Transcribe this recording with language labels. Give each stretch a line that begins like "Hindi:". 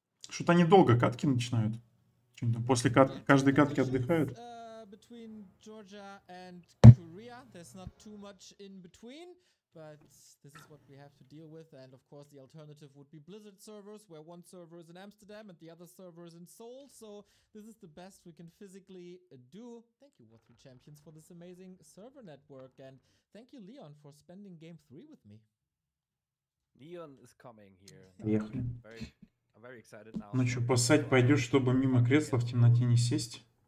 Russian: Что-то они долго катки начинают. После каждой катки отдыхают.
English: Between Georgia and Korea, there's not too much in between, but this is what we have to deal with. And of course, the alternative would be Blizzard servers, where one server is in Amsterdam and the other server is in Seoul. So this is the best we can physically do. Thank you, War 3 Champions, for this amazing server network, and thank you, Leon, for spending game three with me. Leon is coming here. I'm very excited now.
Russian: Ну что, поссать пойдешь, чтобы мимо кресла в темноте не сесть?